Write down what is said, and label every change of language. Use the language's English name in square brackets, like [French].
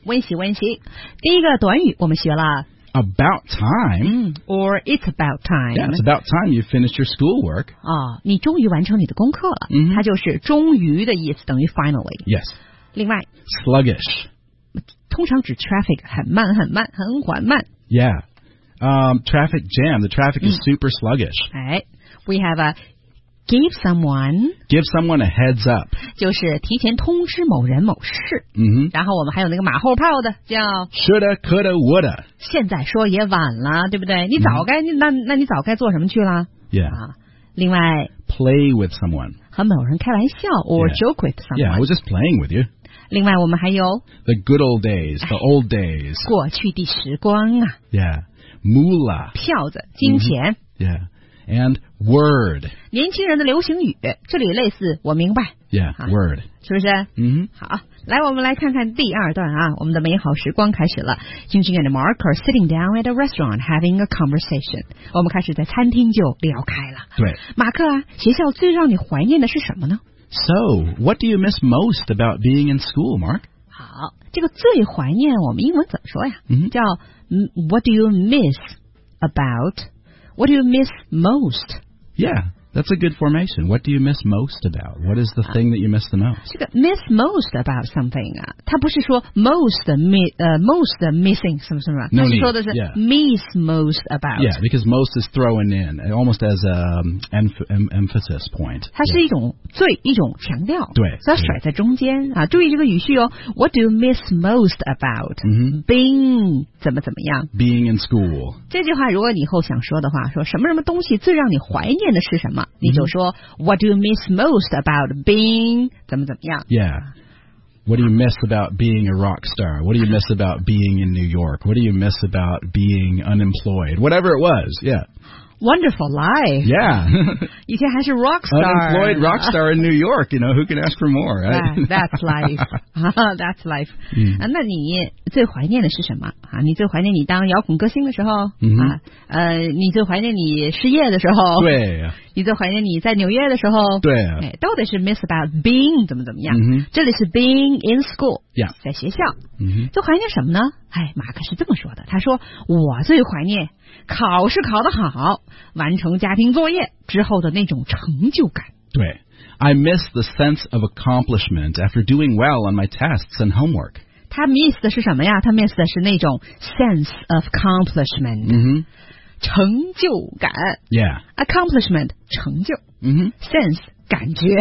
[Chinese] 温习第一个短语我们学了 [English] about time、 or it's about time yeah it's about time you finished your schoolwork、 [Chinese] 哦、你终于完成你的功课了、 [English] mm-hmm. [Chinese] 它就是终于的意思等于 finally [English] yes [Chinese] 另外 [English] sluggish [Chinese] 通常指 traffic 很慢很缓慢 [English] yeah、traffic jam the traffic is super sluggish、哎、we have aGive someone a heads up. [Chinese] 就是提前通知某人某事。 [English] Mm-hmm. [Chinese] 然后我们还有那个马后炮的叫 [English] Shoulda, coulda, woulda. [Chinese] 现在说也晚了对不对你早该、mm-hmm. 那你早该做什么去了 [English] Yeah.、 [Chinese] 另外 [English] Play with someone. [Chinese] 和某人开玩笑 [English] or、yeah. joke with someone. Yeah, I was just playing with you. [Chinese] 另外我们还有 [English] The good old days, the old days. [Chinese] 过去的时光啊。 [English] Yeah. Moolah. [Chinese] 票子金钱。 [English] Mm-hmm. Yeah. And word. [Chinese] 年轻人的流行语这里类似我明白。 [English] Yeah, word. [Chinese] 是不是嗯、mm-hmm. 好来我们来看看第二段啊我们的美好时光开始了。 [English] Jingjing and Mark are sitting down at a restaurant having a conversation. [Chinese] 我们开始在餐厅就聊开了。对。马克啊学校最让你怀念的是什么呢 [English] So, what do you miss most about being in school, Mark? [Chinese] 好这个最怀念我们英文怎么说呀、 [English] mm-hmm. 叫 what do you miss about... What do you miss most? Yeah, that's a good formation. What do you miss most about? What is the thing that you miss the most? [Chinese] 这个 [English] miss most about something [Chinese] 啊，它不是说 [English] most missing [Chinese] 什么什么，它是说的是 [English] miss most about. Yeah, because most is thrown in almost as an emphasis point. [Chinese] 它是一种最一种强调，对，所以甩在中间啊。注意这个语序哦。 [English] What do you miss most about、 mm-hmm. [Chinese] being 怎么怎么样 [English] ？Being in school. [Chinese] 这句话如果你以后想说的话，说什么什么东西最让你怀念的是什么？你就说、mm-hmm. [English] What do you miss most about being [Chinese] 怎么怎么样 [English] ？Yeah. What do you miss about being a rock star? What do you miss about being in New York? What do you miss about being unemployed? Whatever it was, yeah. Wonderful life. Yeah. [Chinese] 以前还是 rock star. [English] Unemployed rock star in New York. You know who can ask for more? Right? That's life. That's life.、 Mm-hmm. [Chinese] 那你最怀念的是什么、啊、你最怀念你当摇滚歌星的时候、 [English] mm-hmm. [Chinese] 啊、你最怀念你失业的时候对你最怀念你在纽约的时候对、哎、都得是 [English] miss about being [Chinese] 怎么怎么样、 [English] mm-hmm. [Chinese] 这里是 being in school、 [English] yeah. [Chinese] 在学校、 [English] mm-hmm. [Chinese] 最怀念什么呢、哎、马克是这么说的他说我最怀念考试考得好完成家庭作业之后的那种成就感 [English] 对 I miss the sense of accomplishment after doing well on my tests and homework [Chinese] 他 miss 的是什么呀他 miss 的是那种 [English] sense of accomplishment、 mm-hmm. [Chinese] 成就感 [English] ，Yeah， [Chinese] accomplishment 成就，嗯哼，sense 感觉，